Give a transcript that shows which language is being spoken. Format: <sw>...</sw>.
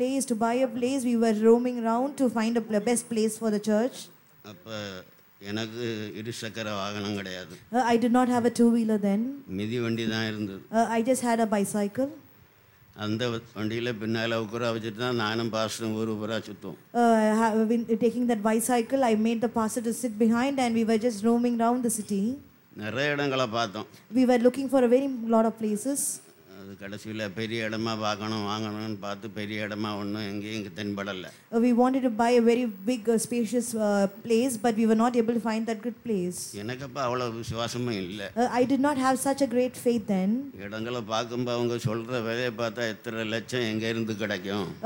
<en>To buy a place, we were roaming around to find a best place for the church.</en> <ta>அப்போ எனக்கு இருசக்கர வாகனம் கிடையாது.</ta> <en>I did not have a two-wheeler then.</en> <ta>மிதி வண்டி தான் இருந்தது.</ta> <en>I just had a bicycle.</en> <ta>அந்த வண்டியில் பின்னால் உட்கார வச்சுட்டு தான் நானும் பாஸ்டரும் ஊர் ஊராக சுற்றுவோம்.</ta> <en>Taking that bicycle, I made the pastor to sit behind and we were just roaming around the city.</en> <ta>நிறைய இடங்களை பார்த்தோம்.</ta> <en>We were looking for a very lot of places.</en> <ta>அது கடைசியில் பெரிய இடமா பார்க்கணும் வாங்கணும்னு பார்த்து பெரிய இடமா ஒன்றும் எங்கேயும் இங்கே தென்படலை.</ta> <en>We wanted to buy a very big spacious place, but we were not able to find that good place.</en> <ta>எனக்கு அப்போ அவ்வளோ விசுவாசமும் இல்லை.</ta> <en>I did not have such a great faith then.</en> <ta>இடங்களை பார்க்கும்போது அவங்க சொல்கிற விலையை பார்த்தா எத்தனை லட்சம் எங்கே இருந்து கிடைக்கும்.</ta>